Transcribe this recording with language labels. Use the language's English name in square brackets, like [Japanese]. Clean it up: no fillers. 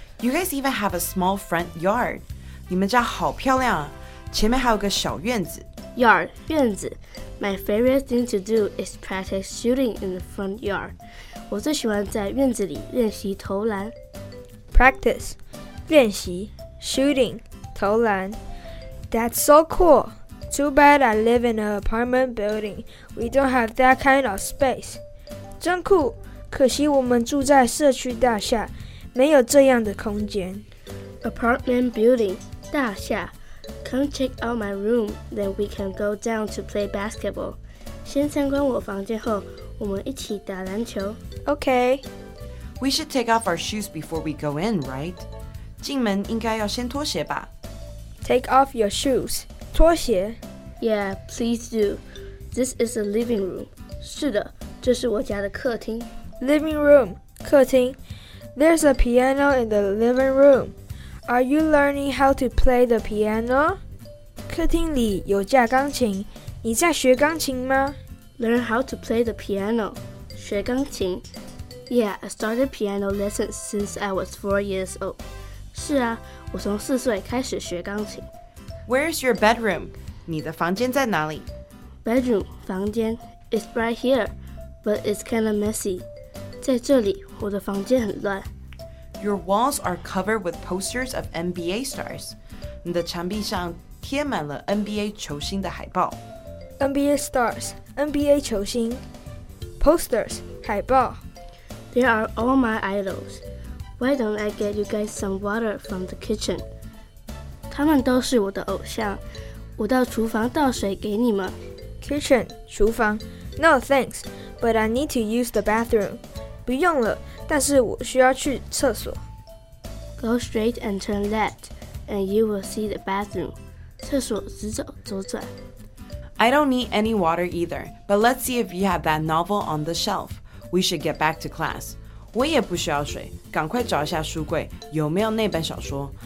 [English] You guys even have a small front yard. [Chinese] 你们家好漂亮啊，前面还有个小院子。 [English] Yard, 院子。My favorite thing to do is practice shooting in the front yard. [Chinese] 我最喜欢在院子里练习投篮。 [English] Practice, 练习。Shooting, 投篮。That's so cool. Too bad I live in an apartment building. We don't have that kind of space. [Chinese] 真酷，可惜我们住在社区大厦，没有这样的空间。 [English] Apartment building, 大厦。Come check out my room, then we can go down to play basketball. [Chinese] 先参观我房间后，我们一起打篮球。 [English] Okay. We should take off our shoes before we go in, right? [Chinese] 进门应该要先脱鞋吧。 [English] Take off your shoes. 脱鞋。 Yeah, please do. This is the living room. [Chinese] 是的，这是我家的客厅。 [English] Living room, 客厅。There's a piano in the living room. Are you learning how to play the piano? [Chinese] 客厅里有架钢琴，你在学钢琴吗？ [English] Learn how to play the piano. 学钢琴。Yeah, I started piano lessons since I was 4 years old. [Chinese] 是啊，我从四岁开始学钢琴。 [English] Where's your bedroom? [Chinese] 你的房间在哪里？ [English] Bedroom, 房间。 It's right here, but it's kind of messy. [Chinese] 在这里，我的房间很乱。 [English] Your walls are covered with posters of NBA stars. [Chinese] 你的墙壁上贴满了 NBA 球星的海报。 [English] NBA stars, NBA 球星。Posters, 海报。 They are all my idols. Why don't I get you guys some water from the kitchen? [Chinese] 他们都是我的偶像。我到厨房倒水给你们。 [English] Kitchen, 厨房。 No thanks, but I need to use the bathroom. [Chinese] 不用了。但是我需要去厕所。 [English] Go straight and turn left, and you will see the bathroom. [Chinese] 厕所直走，左转。 [English] I don't need any water either, but let's see if you have that novel on the shelf. We should get back to class. [Chinese] 我也不需要水，赶快找一下书柜，有没有那本小说？